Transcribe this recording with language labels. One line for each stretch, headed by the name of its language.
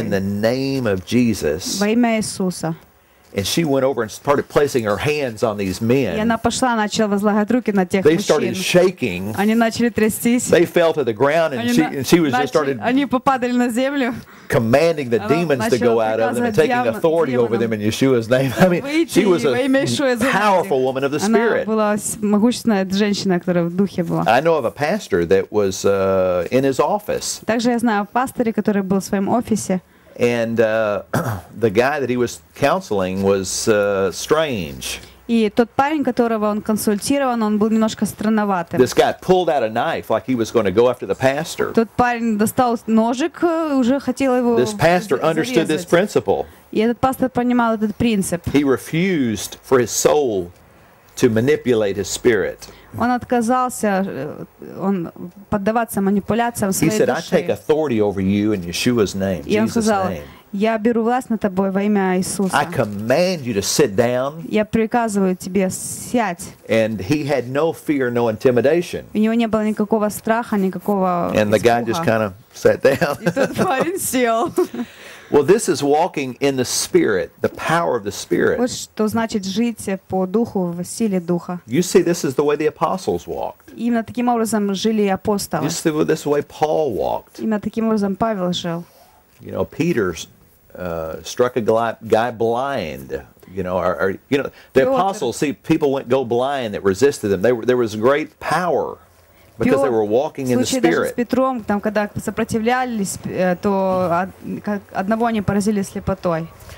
English: In the name of Jesus.
Russian: Во имя Иисуса.
English: And she went over and started placing her hands on these men.
Russian: И она пошла, начала возлагать руки на тех мужчин.
English: They started shaking.
Russian: Они начали трястись.
English: They fell to the ground and she was just started.
Russian: Они попадали на землю.
English: Commanding the demons to go out of them and taking authority over them in Yeshua's name. I mean, she was a powerful woman of the Spirit.
Russian: Она была могущественная женщина, которая в духе была.
English: I know of a pastor that was in his office.
Russian: Также я знаю пастора, который был в своем офисе.
English: And the guy that he was counseling was strange.
Russian: И тот парень, которого он консультировал, он был немножко странноватым.
English: This guy pulled out a knife like he was going to go after the pastor.
Russian: Тот парень достал ножик и уже хотел его зарезать.
English: This pastor understood this principle.
Russian: И этот пастор понимал этот принцип.
English: He refused for his soul to manipulate his spirit.
Russian: Он отказался он поддаваться манипуляциям своей души.
English: He said, "I take authority over you in Yeshua's name, Jesus' name."
Russian: Я беру власть над тобой во имя Иисуса.
English: I command you to sit down.
Russian: Я приказываю тебе сядь.
English: And he had no fear, no intimidation.
Russian: У него не было никакого страха, никакого испуга.
English: And the guy just kind of sat down.
Russian: И тот парень сел.
English: Well, this is walking in the Spirit, the power of the Spirit.
Russian: Вот что значит жить по духу, в силе духа.
English: You see, this is the way the apostles walked.
Russian: Именно таким образом жили апостолы.
English: You see, this is the way Paul walked.
Russian: Именно таким образом Павел жил.
English: You know, Peter struck a guy blind. You know, the apostles, see, people went go blind that resisted them. There was great power because they were walking in the Spirit.
Russian: Даже с Петром, там, когда сопротивлялись, то одного они поразили слепотой.